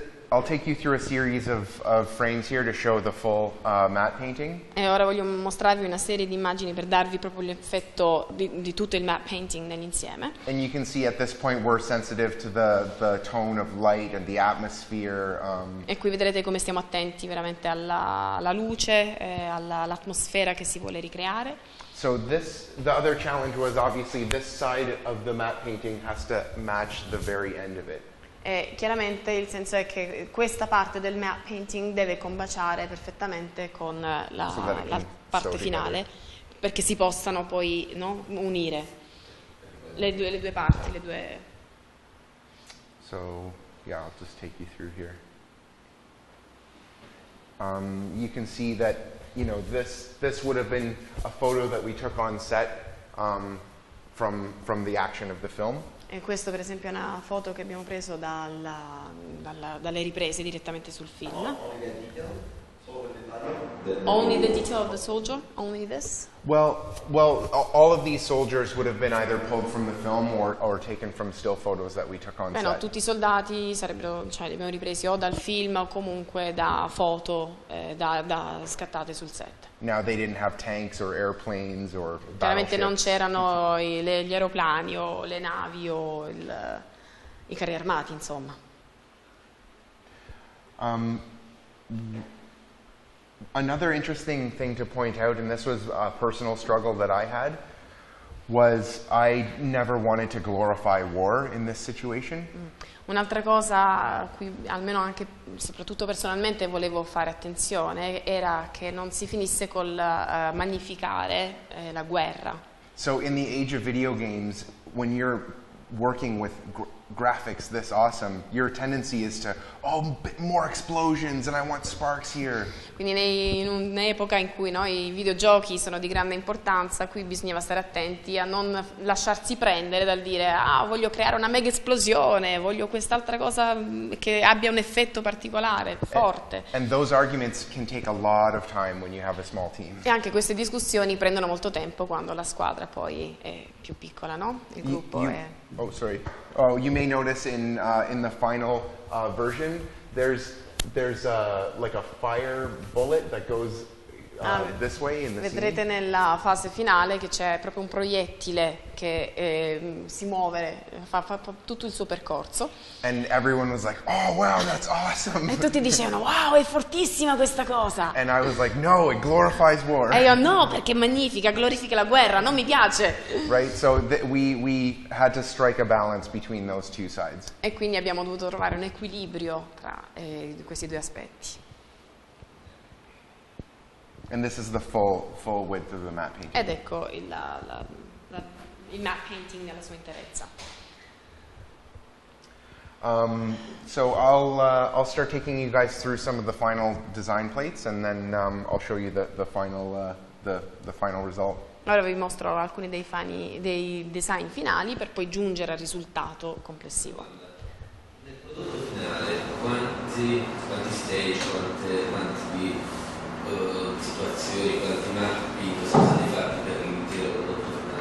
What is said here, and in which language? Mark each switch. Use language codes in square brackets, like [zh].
[en] I'll take you through a series of frames here to show the full matte painting. [it] E ora voglio mostrarvi una serie di immagini per darvi proprio l'effetto di tutto il matte painting nell'insieme. [en] And you can see at this point we're sensitive to the tone of light and the atmosphere. [it] E qui vedrete come stiamo attenti veramente alla luce, all'atmosfera che si vuole ricreare. [en] So the other challenge was obviously this side of the matte painting has to match the very end of it. [it] E chiaramente il senso è che questa parte del matte painting deve combaciare perfettamente con la parte finale perché si possano poi, no, unire le due parti, le due. [en] So, yeah, I'll just take you through here. You can see that, you know, this would have been a photo that we took on set from the action of the film. [it] E questo per esempio è una foto che abbiamo preso dalle riprese direttamente sul film. [en] Only the detail of the soldier? Only this? Well, all of these soldiers would have been either pulled from the film or taken from still photos that we took on set. [it] No, tutti i soldati sarebbero, cioè li abbiamo ripresi o dal film o comunque da foto da scattate sul set. [en] Now they didn't have tanks or airplanes or battleships. [it] Chiaramente non c'erano gli aeroplani o le navi o i carri armati, insomma. [en] Another interesting thing to point out, and this was a personal struggle that I had, was I never wanted to glorify war in this situation. [it] Un'altra cosa a cui almeno anche soprattutto personalmente volevo fare attenzione era che non si finisse col magnificare la guerra. [en] So in the age of video games, when you're working with graphics this awesome, your tendency is to, oh, more explosions and I want sparks here. [it] Quindi in un'epoca in cui, no, i videogiochi sono di grande importanza, qui bisognava stare attenti a non lasciarsi prendere dal dire, ah, voglio creare una mega esplosione, voglio quest'altra cosa che abbia un effetto particolare, forte. [en] And those arguments can take a lot of time when you have a small team. [it] E anche queste discussioni prendono molto tempo quando la squadra poi è più piccola, no? Il gruppo è... [en] Oh, sorry. Oh, you may notice in the final version, there's like a fire bullet that goes this way in the scene. [it] Vedrete nella fase finale che c'è proprio un proiettile che si muove, fa tutto il suo percorso. [en] And everyone was like, oh wow, that's awesome. [it] E tutti dicevano, wow, è fortissima questa cosa. [en] And I was like, no, it glorifies war. [it] E io, no, perché magnifica, glorifica la guerra, non mi piace. [en] Right, so we had to strike a balance between those two sides. [it] E quindi abbiamo dovuto trovare un equilibrio tra questi due aspetti. [en] And this is the full width of the matte painting. [it] Ed ecco il matte painting nella sua interezza. [en] So I'll start taking you guys through some of the final design plates, and then I'll show you the final result. [it] Ora vi mostro alcuni dei design finali per poi giungere al risultato complessivo. Nel prodotto finale, quanti stage, quanti situazioni, quanti mappi sono stati fatti per l'intero prodotto